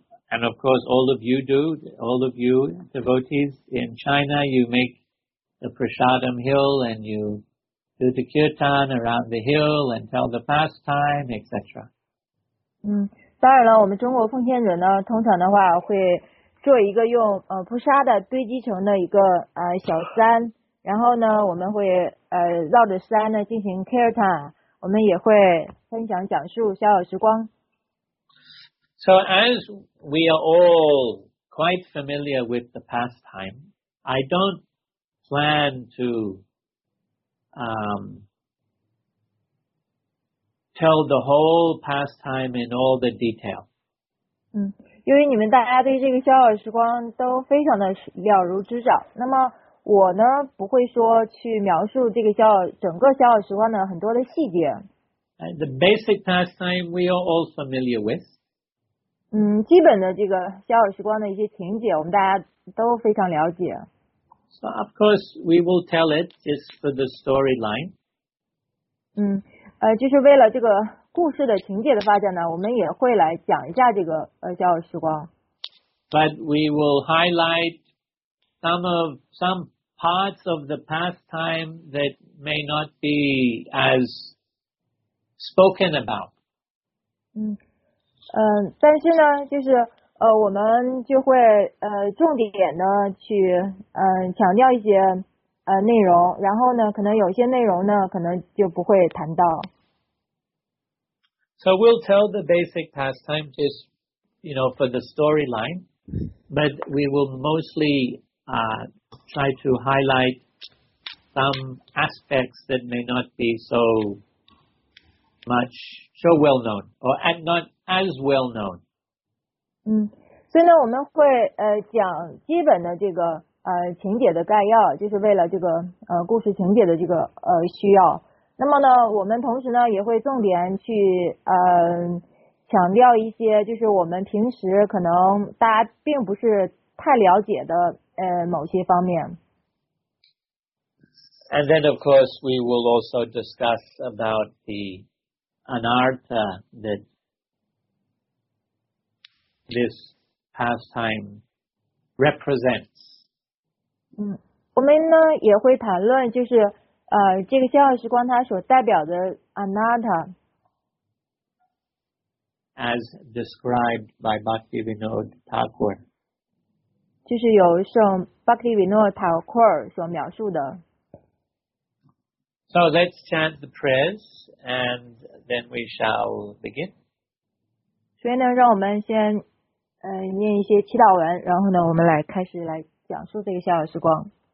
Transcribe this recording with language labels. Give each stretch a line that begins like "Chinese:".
English: And of course, all of you do, all of you devotees in China, you make the Prasadam Hill and you do the kirtan around the hill and tell the pastime, etc.
Chinese: 当然了，我们中国奉献者呢，通常的话会做一个用菩萨的堆积成的一个小山，然后呢，我们会绕着山呢进行 kirtan， 我们也会分享讲述逍遥时光。
English: So as we are all quite familiar with the pastime, I don't plan to tell the whole pastime in all the detail.
Chinese: 因为你们大家对这个逍遥时光都非常的了如指掌，那么我呢不会说去描述这个整个逍遥时光的很多的细节。
English: The basic pastime we are all familiar with.
Chinese: 基本的这个逍遥时光的一些情节，我们大家都非常了解。
English: So of course we will tell it just for the storyline.
Chinese: 就是为了这个故事的情节的发展呢，我们也会来讲一下这个逍遥时光。
English: But we will highlight some parts of the pastime that may not be as spoken about.
Chinese: 但是呢，就是我们就会重点呢去强调一些内容，然后呢，可能有些内容呢，可能就不会谈到。
English: So we'll tell the basic pastime just, you know, for the storyline, but we will mostly try to highlight some aspects that may not be so much, so well known, or and not as well known.
Chinese: 嗯，所以呢，我们会讲基本的这个情节的概要，就是为了这个故事情节的这个需要。那么呢，我们同时呢也会重点去强调一些，就是我们平时可能大家并不是太了解的某些方面。
English: And then, of course, we will also discuss about the anartha that this pastime represents.
Chinese: 嗯，我们呢也会谈论就是。这个逍遥时光它所代表的 anatta
English: as described by Bhaktivinoda Thakur
Chinese: 就是由圣 Bhaktivinoda Thakur 所描述的
English: So let's chant the prayers and then we shall begin
Chinese: 所以呢让我们先念一些祈祷文然后呢我们来开始来讲述这个逍遥时光